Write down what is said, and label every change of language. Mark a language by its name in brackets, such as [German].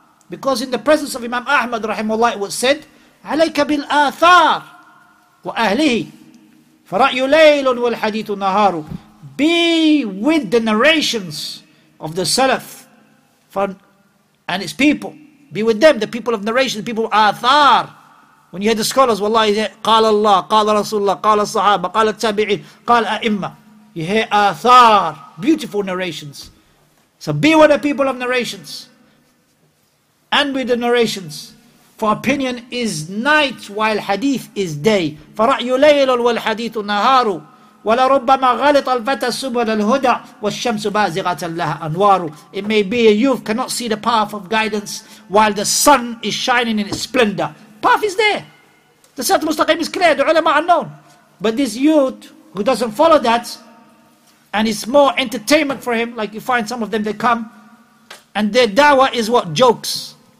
[English] Because in the presence of Imam Ahmad rahimahullah, it was said, [Arabic] عليك بالآثار وأهله فرأي ليل والحديث نهار. [English] Be with the narrations of the Salaf and its people. Be with them, the people of narration, the people of athar. When you hear the scholars, wallahi, [Arabic] قال الله, قال رسول الله, قال الصحابة, قال التابعين, قال أئمة. [English] You hear athar, beautiful narrations. So be with the people of narrations. And with the narrations. For opinion is night, while hadith is day. [Arabic] فرأي ليل والحديث نهار. ولربما غلط الفتى سبل الهدى والشمس بازغة لها أنوار. [English] It may be a youth cannot see the path of guidance while the sun is shining in its splendor. Path is there. The Sirat al-Mustaqim is clear. The ulama are known. But this youth who doesn't follow that, and it's more entertainment for him, like you find some of them, they come and their dawah is what? Jokes.